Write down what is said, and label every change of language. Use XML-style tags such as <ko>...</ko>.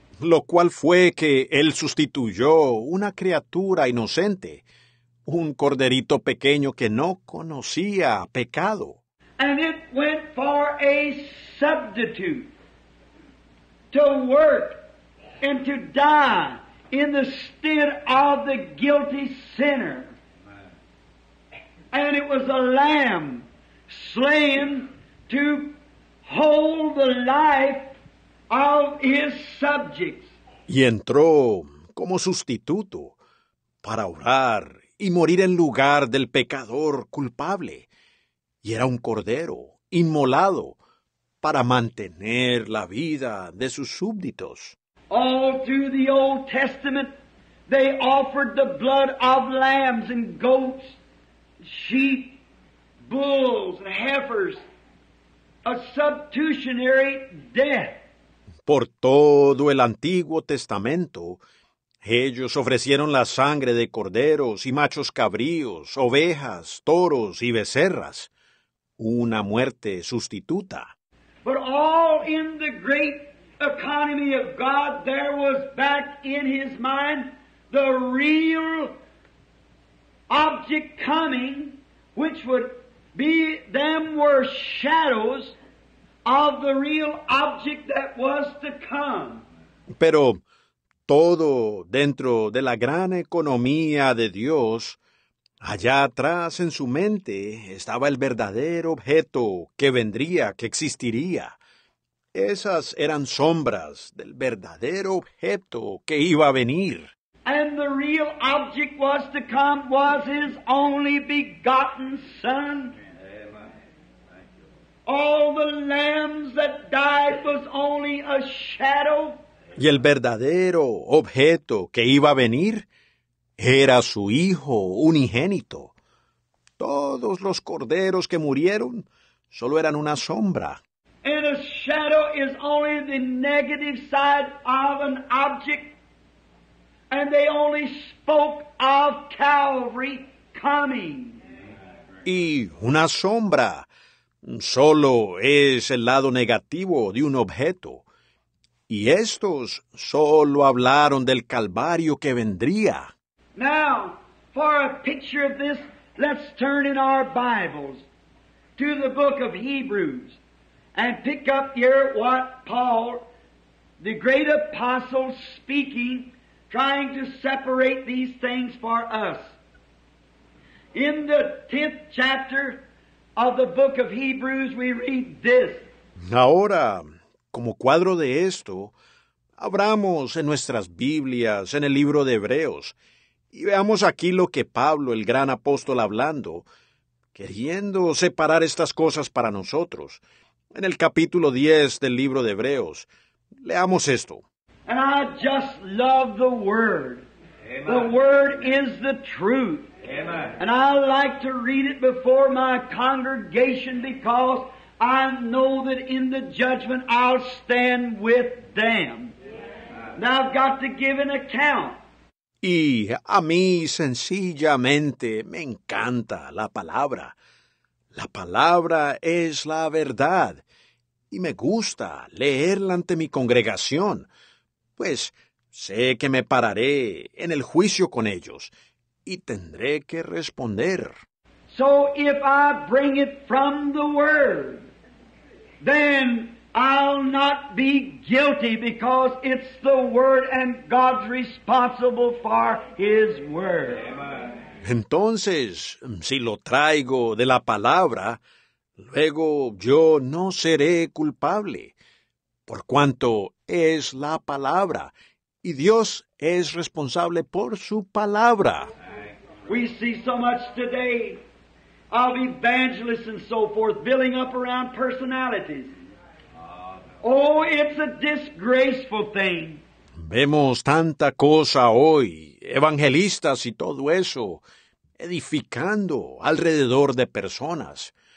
<es>Lo cual fue que Él sustituyó una criatura inocente, un corderito pequeño que no conocía pecado.</es> <en>And it went for a substitute to work and to die in the stead of the guilty sinner. And it was a lamb slain to hold the life of His subjects.</en> <es>Y entró como sustituto para obrar y morir en lugar del pecador culpable. Y era un cordero inmolado para mantener la vida de sus súbditos.</es> <en>All through the Old Testament, they offered the blood of lambs and goats, sheep, bulls, and heifers, a substitutionary death.</en> <es>Por todo el Antiguo Testamento, ellos ofrecieron la sangre de corderos y machos cabríos, ovejas, toros y becerras, una muerte sustituta.</es> <en>But all in the great economy of God, there was back in His mind the real object coming, which would be them were shadows of the real object that was to come.</en> <es>Pero todo dentro de la gran economía de Dios, allá atrás en su mente estaba el verdadero objeto que vendría, que existiría. Esas eran sombras del verdadero objeto que iba a venir.</es> <en>And the real object was to come was His only begotten Son. All the lambs that died was only a shadow.</en> <es>Y el verdadero objeto que iba a venir era su Hijo unigénito. Todos los corderos que murieron solo eran una sombra.</es> <en>And a shadow is only the negative side of an object. And they only spoke of Calvary coming.</en> <es>Y una sombra solo es el lado negativo de un objeto. Y estos solo hablaron del Calvario que vendría.</es> <en>Now, for a picture of this, let's turn in our Bibles to the book of Hebrews and pick up here what Paul, the great apostle, speaking, trying to separate these things for us. In the 10th chapter of the book of Hebrews, we read this.</en> <es>Ahora, como cuadro de esto, Abramos en nuestras Biblias, en el libro de Hebreos, y veamos aquí lo que Pablo, el gran apóstol, hablando, queriendo separar estas cosas para nosotros. En el capítulo 10 del libro de Hebreos, leamos esto.</es> <en>And I just love the Word. Amen. The Word is the truth. Amen. And I like to read it before my congregation because I know that in the judgment I'll stand with them. Now I've got to give an account.</en> <es>Y a mí sencillamente me encanta la palabra. La palabra es la verdad. Y me gusta leerla ante mi congregación, pues sé que me pararé en el juicio con ellos y tendré que responder.</es> <en>So if I bring it from the Word, then I'll not be guilty because it's the Word and God's responsible for His Word.</en> <es>Entonces, si lo traigo de la palabra, luego yo no seré culpable, por cuanto es la palabra, y Dios es responsable por su palabra.</es> <en>We see so much today of evangelists and so forth building up around personalities. Oh, it's a disgraceful thing.</en> <es>Vemos tanta cosa hoy, evangelistas y todo eso, edificando alrededor de personas.</es>